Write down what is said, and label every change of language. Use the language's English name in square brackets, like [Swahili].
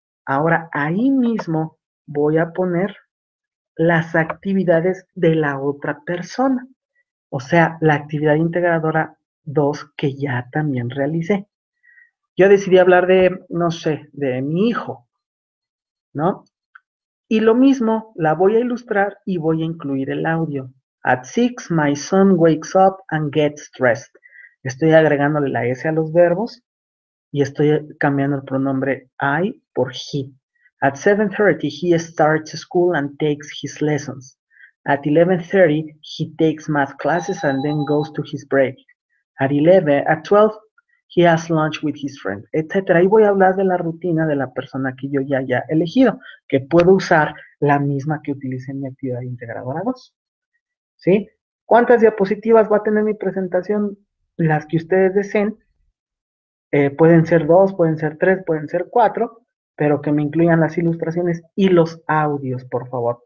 [Spanish] Ahora ahí mismo voy a poner las actividades de la otra persona, o sea, la actividad integradora 2 que ya también realicé. Yo decidí hablar de, no sé, de mi hijo, ¿no? Y lo mismo, la voy a ilustrar y voy a incluir el audio. [English] At six, my son wakes up and gets dressed. [Spanish] Estoy agregándole la S a los verbos. Y estoy cambiando el pronombre I por he. [English] At 7:30, he starts school and takes his lessons. At 11:30, he takes math classes and then goes to his break. At 12, he has lunch with his friend, etc. [Spanish] Y voy a hablar de la rutina de la persona que yo ya haya elegido, que puedo usar la misma que utilicé en mi actividad integradora 2. ¿Sí? ¿Cuántas diapositivas va a tener mi presentación? Las que ustedes deseen. Pueden ser dos, pueden ser tres, pueden ser cuatro, pero que me incluyan las ilustraciones y los audios, por favor.